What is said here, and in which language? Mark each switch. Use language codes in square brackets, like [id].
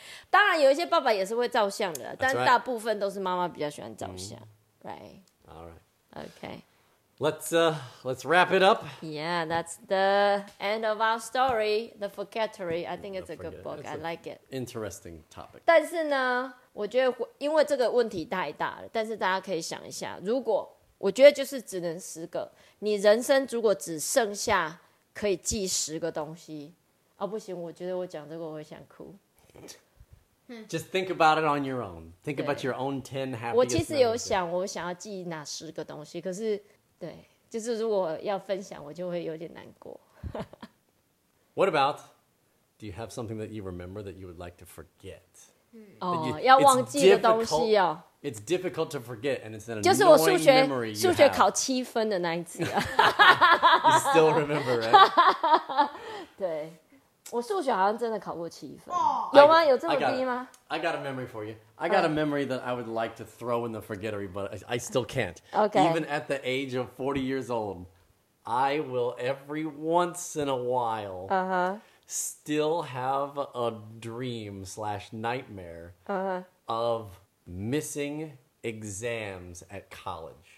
[zh] 当然有一些爸爸也是会照相的，但大部分都是妈妈比较喜欢照相。 [en] Right. All right. Okay. Let's wrap it up. Yeah, that's the end of our story, The Forgettery. I think it's a good book. It's I like it. Interesting topic. [zh] 但是呢，我觉得因为这个问题太大了，但是大家可以想一下，如果我觉得就是只能十个，你人生如果只剩下可以记十个东西，哦不行，我觉得我讲这个我会想哭。 [en] Just think about it on your own. Think about your own 10 happiest. [zh] 我其实有想，我想要记哪十个东西，可是对，就是如果要分享，我就会有点难过。 [en] What about? Do you have something that you remember that you would like to forget? [zh] 哦，要忘记的东西哦。 [en] It's difficult to forget, and it's an annoying [zh] 就是我数学 [en] memory you [zh] 数学考七分的那一次、啊。 [en] You still remember, right? [zh] 对。我数学好像真的考过七分，有吗？有这么低吗 [en] ？I got a memory for you. I got a memory that I would like to throw in the forgettery, but I still can't. Okay. Even at the age of 40 years old, I will every once in a while still have a dream / nightmare of missing exams at college.